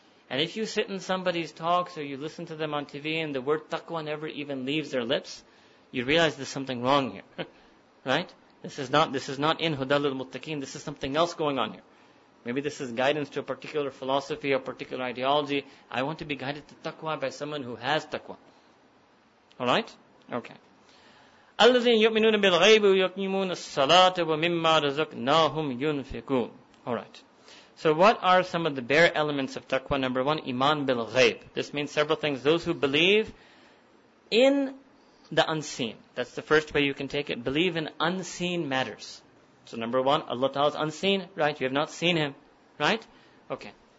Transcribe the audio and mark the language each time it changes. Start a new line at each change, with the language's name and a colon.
English: And if you sit in somebody's talks, or you listen to them on TV, and the word taqwa never even leaves their lips, you realize there's something wrong here. Right? This is not in Hudal al-Muttaqeen, this is something else going on here. Maybe this is guidance to a particular philosophy, or particular ideology. I want to be guided to taqwa by someone who has taqwa. Alright? Okay.
Arabic: الذين يؤمنون بالغيب ويقيمون الصلاة ومما رزقناهم ينفقون.
English: Alright. So what are some of the bare elements of taqwa? Number one, iman bil ghayb. This means several things. Those who believe in the unseen. That's the first way you can take it. Believe in unseen matters. So number one, Allah Ta'ala is unseen, right? You have not seen Him, right? Okay.